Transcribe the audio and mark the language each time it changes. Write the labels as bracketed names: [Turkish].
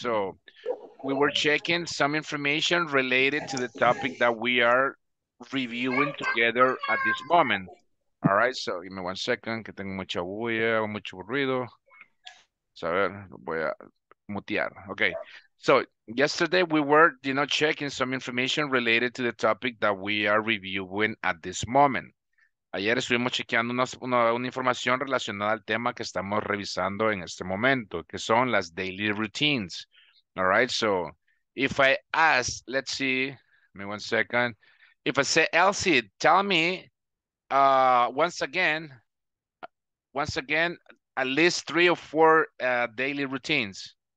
[English] So we were checking some information related to the topic that we are reviewing together at this moment. All right, so give me 1 second, [Spanish] que tengo mucha bulla, mucho ruido. A ver, voy a mutear. [English] Okay, so yesterday we were, checking some information related to the topic that we are reviewing at this moment. [Spanish] Ayer estuvimos chequeando una información relacionada al tema que estamos revisando en este momento, que son las daily routines. [English] All right, so if I ask, let's see, give me 1 second. If I say, Elsie, tell me once again, at least 3 or 4 daily routines.